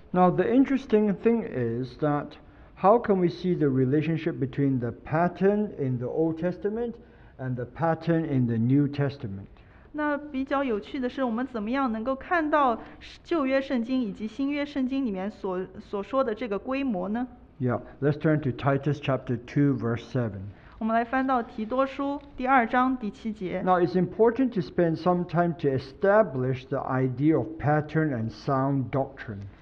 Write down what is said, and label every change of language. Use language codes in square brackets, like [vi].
[en] Now the interesting thing is that how can we see the relationship between the pattern in the Old Testament and the pattern in the New Testament? [zh] 那比较有趣的是，我们怎么样能够看到旧约圣经以及新约圣经里面所说的这个规模呢？ [en] Yeah, let's turn to Titus chapter 2 verse 7. [zh] 我们来翻到提多书第二章第七节。 [en] Now it's important to spend some time to establish the idea of pattern and sound doctrine.